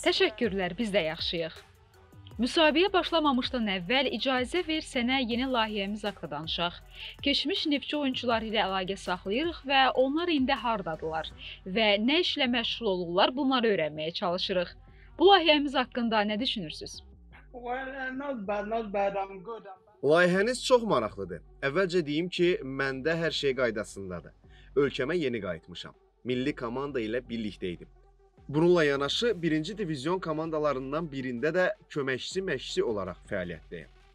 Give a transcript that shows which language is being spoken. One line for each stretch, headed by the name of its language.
Azerbaijani: Təşəkkürlər, biz də yaxşıyıq. Müsabiqə başlamamışdan əvvəl icazə ver sənə yeni layihəmiz haqqı danışaq. Keçmiş Neftçi oyuncuları ilə əlaqə saxlayırıq və onlar indi hardadılar və nə işlə məşğul olurlar bunları öyrənməyə çalışırıq. Bu layihəmiz haqqında nə düşünürsünüz?
English: Well, not bad, not bad, I'm good.
Azerbaijani: Layihəniz çox maraqlıdır. Əvvəlcə deyim ki, məndə hər şey qaydasındadır. Ölkəmə yeni qayıtmışam. Milli komanda ilə birlikdə idim. Bununla yanaşı, 1-ci divizyon komandalarından birində də köməkçi-məşçi olaraq fəaliyyətdəyim.